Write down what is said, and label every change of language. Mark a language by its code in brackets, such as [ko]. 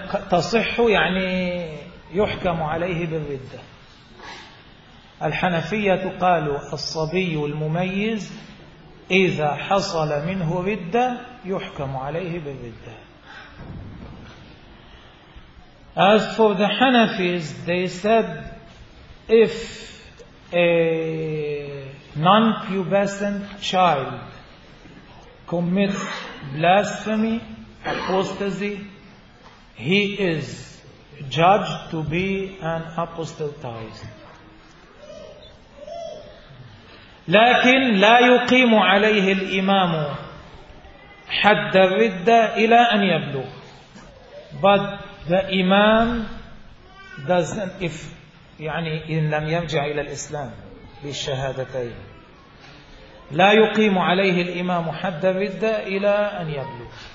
[ar] تصح يعني يحكم عليه بالردة. الحنفية قالوا الصبي المميز إذا حصل منه ردة يحكم عليه بالردة. [en] As for the Hanafis, they said if a non-pubescent child commits blasphemy, apostasy, he is judged to be an apostatized. [ar] لكن لا يقيم عليه الإمام حد الردة إلى أن يبلغ. But the Imam doesn't, if يعني إن لم يرجع إلى الإسلام بالشهادتين لا يقيم عليه الإمام حد الردة إلى أن يبلغ.